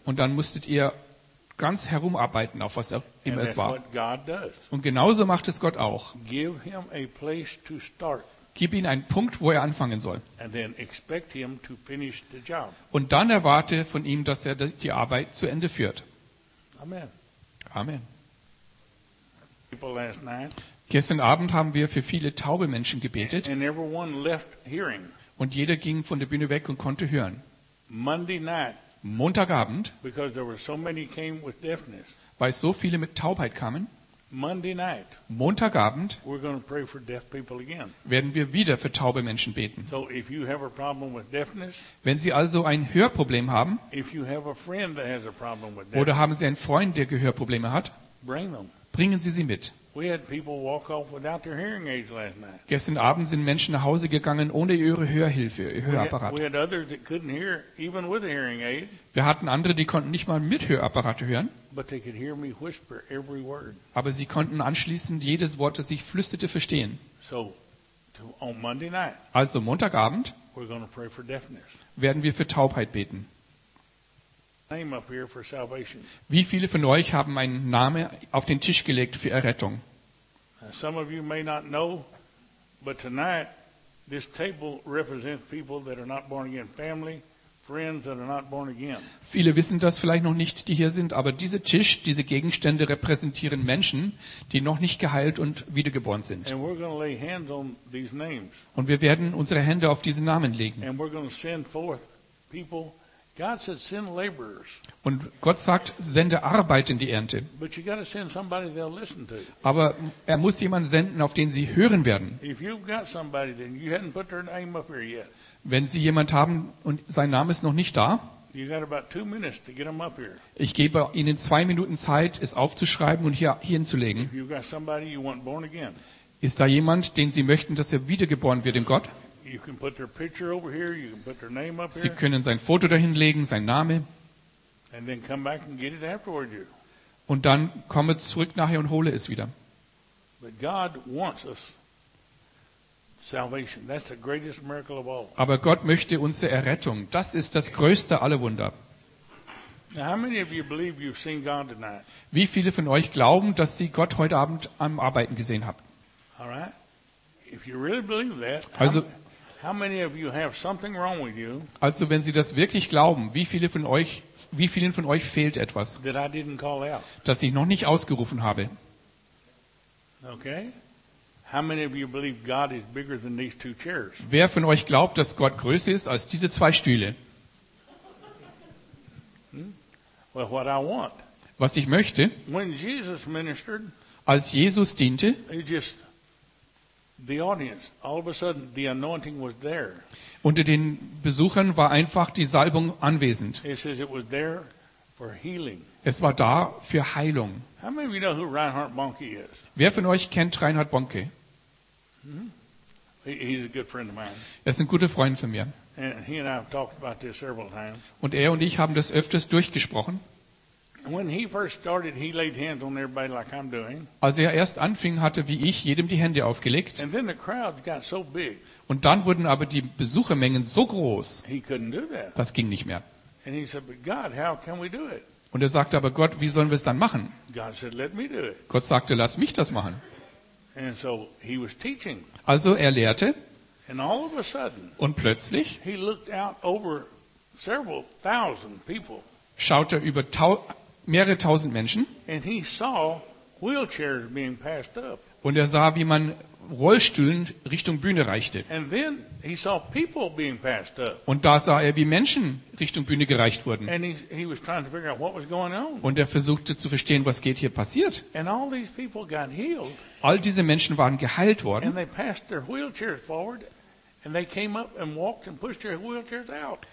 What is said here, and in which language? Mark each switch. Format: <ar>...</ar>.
<de>Und dann musstet ihr ganz herumarbeiten, auf was immer es war.</de> <en>What God does.</en> <de>Und genauso macht es Gott auch.</de> <en>Give him a place to start.</en> <de>Gib ihm einen Punkt, wo er anfangen soll.</de> <en>And then expect him to finish the job.</en> <de>Und dann erwarte von ihm, dass er die Arbeit zu Ende führt.</de> <en>Amen.</en> <de>Amen.</de> <en>People last night,</en> <de>gestern Abend haben wir für viele taube Menschen gebetet.</de> <en>And everyone left hearing.</en> <de>Und jeder ging von der Bühne weg und konnte hören.</de> <en>Monday night,</en> <de>Montagabend,</de> <en>because there were so many came with deafness,</en> <de>weil so viele mit Taubheit kamen,</de> <en>Monday night,</en> <de>Montagabend,</de> <en>we're going to pray for deaf people again.</en> <de>Werden wir wieder für taube Menschen beten.</de> <en>So if you have a problem with deafness,</en> <de>wenn Sie also ein Hörproblem haben,</de> <en>if you have a friend that has a problem with deafness,</en> <de>oder haben Sie einen Freund, der Gehörprobleme hat,</de> <en>bring them.</en> <de>Bringen Sie sie mit.</de> <en>We had people walk off without their hearing aids last night.</en> <de>Gestern Abend sind Menschen nach Hause gegangen ohne ihre Hörhilfe, ihr Hörapparat.</de> <en>We had others that couldn't hear even with a hearing aid.</en> <de>Wir hatten andere, die konnten nicht mal mit Hörapparat hören.</de> <en>But they could hear me whisper every word.</en> <de>Aber sie konnten anschließend jedes Wort, das ich flüsterte, verstehen.</de> <en>So, on Monday night,</en> <de>also Montagabend,</de> <en>we're going to pray for deafness.</en> <de>Werden wir für Taubheit beten.</de> <en>Name up here for salvation.</en> <de>Wie viele von euch haben einen Namen auf den Tisch gelegt für Errettung?</de> <en>Some of you may not know, but tonight this table represents people that are not born again, family, friends that are not born again.</en> <de>Viele wissen das vielleicht noch nicht, die hier sind, aber dieser Tisch, diese Gegenstände repräsentieren Menschen, die noch nicht geheilt und wiedergeboren sind.</de> <en>And we're going to lay hands on these names.</en> <de>Und wir werden unsere Hände auf diese Namen legen.</de> <en>And we're going to send forth people. God said, send laborers.</en> <de>Und Gott sagt, sende Arbeit in die Ernte.</de> <en>But you got to send somebody they'll listen to.</en> <de>Aber er muss jemanden senden, auf den sie hören werden.</de> <en>If you've got somebody, then you hadn't put their name up here yet.</en> <de>Wenn Sie jemanden haben und sein Name ist noch nicht da,</de> <en>you got about 2 minutes to get them up here.</en> <de>Ich gebe Ihnen 2 Minuten Zeit, es aufzuschreiben und hier hinzulegen.</de> <en>If you've got somebody you want born again.</en> <de>Ist da jemand, den Sie möchten, dass er wiedergeboren wird in Gott?</de> <en>You can put their picture over here, you can put their name up here.</en> <de>Sie können sein Foto dahinlegen, sein Name.</de> <en>And then come back and get it afterward.</en> <de>Und dann komme zurück nachher und hole es wieder.</de> <en>But God wants us salvation. That's the greatest miracle of all.</en> <de>Aber Gott möchte unsere Errettung. Das ist das größte aller Wunder.</de> <en>Now, how many of you believe you've seen God tonight?</en> <de>Wie viele von euch glauben, dass sie Gott heute Abend am Arbeiten gesehen haben?</de> <en>All right. If you really believe that,</en> <de>also,</de> <en>how many of you have something wrong with you?</en> <de>Also, wenn Sie das wirklich glauben, wie vielen von euch fehlt etwas?</de> <en>That I didn't call out.</en> <de>Dass ich noch nicht ausgerufen habe.</de> <en>Okay? How many of you believe God is bigger than these 2 chairs?</en> <de>Wer von euch glaubt, dass Gott größer ist als diese 2 Stühle?</de> <en>Well, what I want.</en> <de>Was ich möchte.</de> <en>When Jesus ministered,</en> <de>als Jesus diente,</de> <en>the audience, all of a sudden, the anointing was there.</en> <de>Unter den Besuchern war einfach die Salbung anwesend.</de> <en>It says it was there for healing.</en> <de>Es war da für Heilung.</de> <en>How many of you know who Reinhard Bonnke is?</en> <de>Wer von euch kennt Reinhard Bonnke?</de> <en>He's a good friend of mine.</en> <de>Er ist ein guter Freund von mir.</de> <en>And he and I have talked about this several times.</en> <de>Und er und ich haben das öfters durchgesprochen.</de> <en>When he first started, he laid hands on everybody like I'm doing.</en> <de>Als er erst anfing, hatte wie ich jedem die Hände aufgelegt.</de> <en>And then the crowd got so big.</en> <de>Und dann wurden aber die Besuchermengen so groß.</de> <en>He couldn't do that.</en> <de>Das ging nicht mehr.</de> <en>And he said, "But God, how can we do it?"</en> <de>Und er sagte aber, Gott, wie sollen wir es dann machen?</de> <en>God said, "Let me do it."</en> <de>Gott sagte, lass mich das machen.</de> <en>And so he was teaching.</en> <de>Also er lehrte.</de> <en>And all of a sudden,</en> <de>und plötzlich.</de> <en>He looked out over several thousand people.</en> <de>Schaut er über mehrere tausend Menschen.</de> <en>And he saw wheelchairs being passed up.</en> <de>Und er sah, wie man Rollstühlen Richtung Bühne reichte.</de> <en>And then he saw people being passed up.</en> <de>Und da sah er, wie Menschen Richtung Bühne gereicht wurden.</de> <en>And he was trying to figure out what was going on.</en> <de>Und er versuchte zu verstehen, was geht hier passiert.</de> <en>And all these people got healed.</en> <de>All diese Menschen waren geheilt worden.</de> <en>And they passed their wheelchairs forward and they came up and walked and pushed their wheelchairs out.</en>